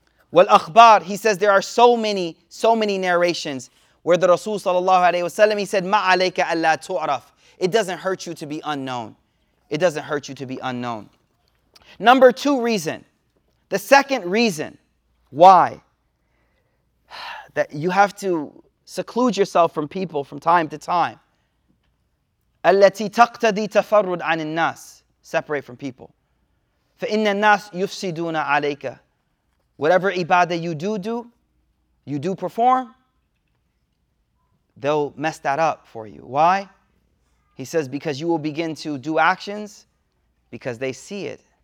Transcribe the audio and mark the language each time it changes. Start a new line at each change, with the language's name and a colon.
English: Wal akhbar, he says there are so many narrations where the Rasul sallallahu alayhi wasallam, he said,
Arabic: ma alayka alla tu'raf.
English: It doesn't hurt you to be unknown. It doesn't hurt you to be unknown. Number two reason, the second reason why that you have to seclude yourself from people from time to time.
Arabic: التي تقتضي تفرد عن الناس.
English: Separate from people.
Arabic: فإن الناس يفسدون عليك.
English: Whatever ibadah you do perform, they'll mess that up for you. Why? He says, because you will begin to do actions because they see it.